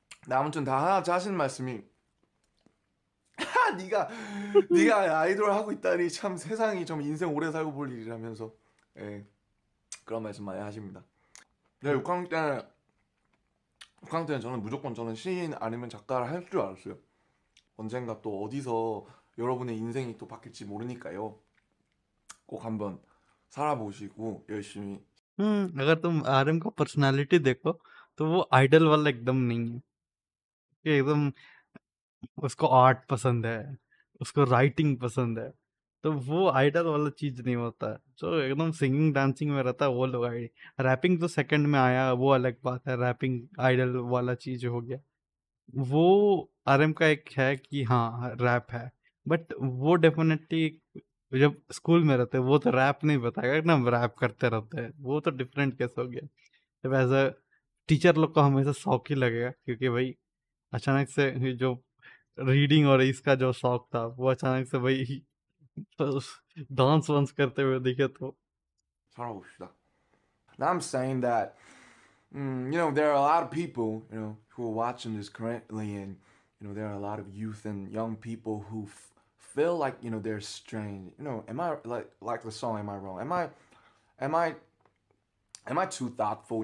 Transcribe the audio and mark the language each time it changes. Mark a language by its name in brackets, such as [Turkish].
[Korean] 아무튼 다 하나 하신 말씀이 네가 아이돌 하고 있다니 참 세상이 좀 인생 오래 살고 볼 일이라면서 예 그런 말씀 많이 하십니다. 내가 6학년 때는 저는 무조건 저는 시인 아니면 작가를 할줄 알았어요. 언젠가 또 어디서 여러분의 인생이 또 바뀔지 모르니까요. 꼭 한번 살아보시고 열심히. [Hindi] अगर तुम आरएम का पर्सनालिटी देखो तो वो आइडल वाला एकदम नहीं है, ये एकदम उसको आर्ट पसंद है, उसको राइटिंग पसंद है, तो वो आइडल वाला चीज नहीं होता है। जो एकदम सिंगिंग डांसिंग में रहता है वो लोग आइडल। रैपिंग तो सेकंड में आया, वो अलग बात है, रैपिंग आइडल वाला चीज हो गया। वो आरएम का एक है कि हाँ रैप है, बट वो डेफिनेटली जब स्कूल में रहते वो तो रैप नहीं बताएगा ना, रैप करते रहते हैं, वो तो डिफरेंट केस हो गया। जब एज अ टीचर लोग को हमेशा शौक ही लगेगा, क्योंकि भाई अचानक से जो रीडिंग और इसका जो शौक था वो अचानक से भाई डांस वांस करते हुए दिखे तो सारा। [English] I'm saying that you know there are a lot of people you know who are watching this currently, and you know there are a lot of youth and young people who feel like you know they're strange. You know, am I like the song? Am I wrong? Am I too thoughtful?